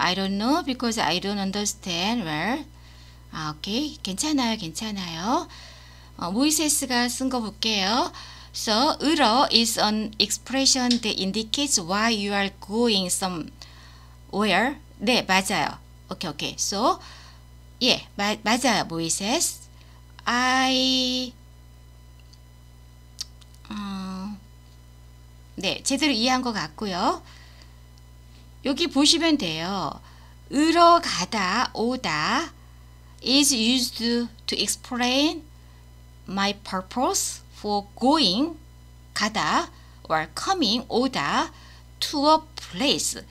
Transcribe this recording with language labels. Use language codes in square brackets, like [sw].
[en] I don't know because I don't understand well. [ko] 아, 오케이, 괜찮아요, 괜찮아요. 모이세스가 쓴 거 볼게요. [en] So, 으러 is an expression that indicates why you are going somewhere. [ko] 네, 맞아요. 오케이, 오케이. So, 예, 맞아요, 모이세스. I 네, 제대로 이해한 것 같고요. 여기 보시면 돼요. [en] 으러 가다, 오다 is used to explain my purpose for going, 가다 or coming, 오다 to a place.